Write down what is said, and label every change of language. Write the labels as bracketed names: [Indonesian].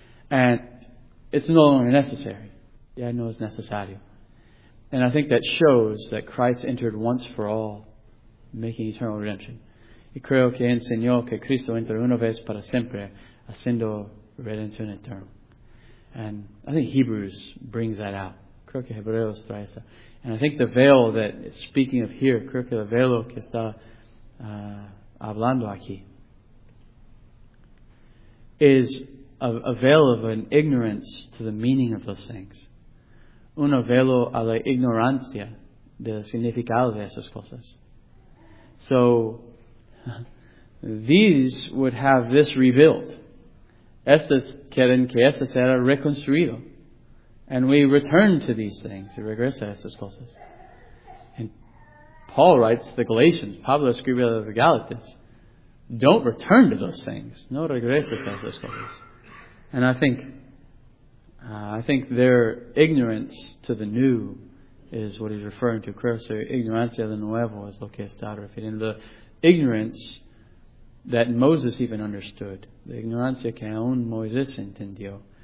[English] And it's no longer necessary. [Spanish] Ya no es necesario. [English] And I think that shows that Christ entered once for all, making eternal redemption. [Spanish] Y creo que enseñó que Cristo entró una vez para siempre, haciendo redención eterna. [English] And I think Hebrews brings that out. [Spanish] Creo que Hebreos trae eso. [English] And I think the veil that it's speaking of here, [Spanish] creo que el velo que está hablando aquí, [English] is a veil of an ignorance to the meaning of those things. [Spanish] Un velo a la ignorancia del significado de esas cosas. [English] So, these would have this rebuilt. [Spanish] Estas quieren que esta sea reconstruido. [English] And we return to these things. [Spanish] Regresa a estas cosas. [English] And Paul writes the Galatians. [Spanish] Pablo escribe a los Galatas. [English] Don't return to those things. [Spanish] No regreses a esas cosas. [English] And I think their ignorance to the new is what he's referring to. [Spanish] Creo que ignorancia de nuevo es lo que está refiriendo. [English] The ignorance that Moses even understood. [Spanish] The ignorancia que aún Moisés entendió.